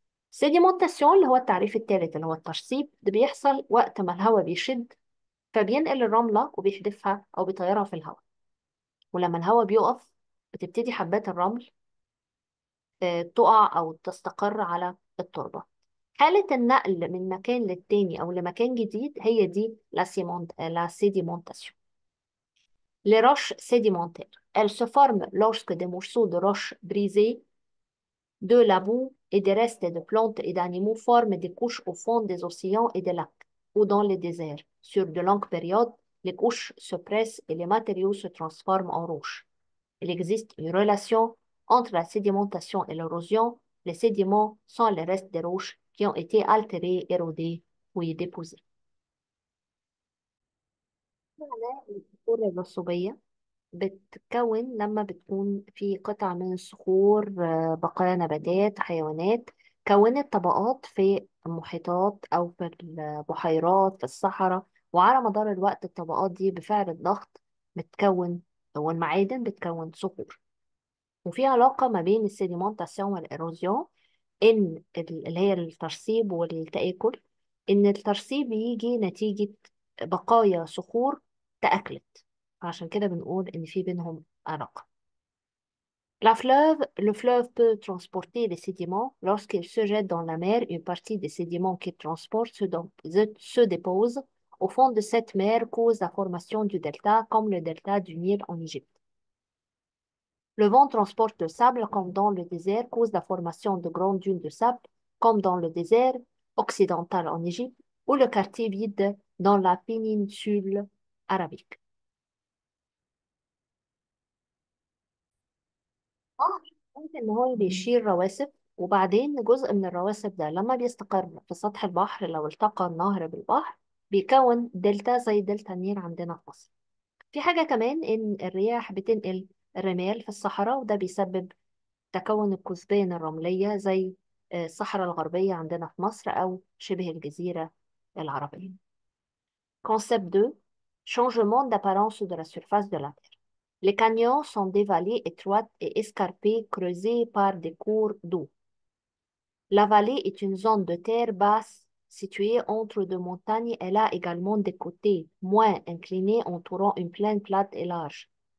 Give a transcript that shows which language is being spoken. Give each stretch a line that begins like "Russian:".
Arabic: Sédimentation, اللي هو التعريف الثالث اللي هو الترسيب، ده بيحصل وقت ما الهواء بيشد فبينقل الرملة وبيحذفها أو بيطيرها في الهواء. ولما الهواء بيقف بتبتدي حبات الرمل تقع أو تستقر على التربة. حالة النقل من مكان للتاني أو لمكان جديد هي دي la sédimentation.
French: Les roches sédimentaires, elles se forment lorsque des morceaux de roches brisées, de la boue et des restes de plantes et d'animaux forment des couches au fond des océans et des lacs ou dans les déserts. Sur de longues périodes, les couches se pressent et les matériaux se transforment en roches. Il existe une relation entre la sédimentation et l'érosion. Les sédiments sont les restes des roches qui ont été altérés, érodés ou y déposés.
Arabic: الصخور الرسوبية بتتكون لما بتكون في قطع من الصخور، بقايا نباتات، حيوانات، كونت طبقات في المحيطات أو في البحيرات في الصحراء، وعلى مدار الوقت الطبقات دي بفعل الضغط بتكون أو المعادن بتكون صخور. وفي علاقة ما بين السيديمونتاسيون والإيروزيون، إن اللي هي الترسيب والتآكل، إن الترسيب يجي نتيجة بقايا صخور تأكلت، عشان كده بنقول إن في بينهم علاقة.
French: La fleuve, le fleuve peut transporter les sédiments. Lorsqu'il se jette dans la mer, une partie des sédiments qu'il transporte se dépose au fond de cette mer, cause la formation du delta, comme le delta du Nil en Égypte. Le vent transporte le sable, comme dans le désert, cause la formation de grandes dunes de sable, comme dans le désert occidental en Égypte, ou le quartier vide dans la péninsule arabique.
Arabic: ممكن ان هو بيشيل رواسب، وبعدين جزء من الرواسب ده لما بيستقر في سطح البحر لو التقى النهر بالبحر بيكون دلتا زي دلتا النيل عندنا في مصر. في حاجة كمان، ان الرياح بتنقل الرمال في الصحراء، وده بيسبب تكون الكثبان الرملية زي الصحراء الغربية عندنا في مصر او شبه الجزيرة العربية.
French: Concept 2. Changement d'apparence de la surface de la Terre. Les canyons sont des vallées étroites et escarpées creusées par des cours d'eau. La vallée est une zone de terre basse située entre deux montagnes. Elle a également des côtés moins inclinés entourant une plaine plate et large.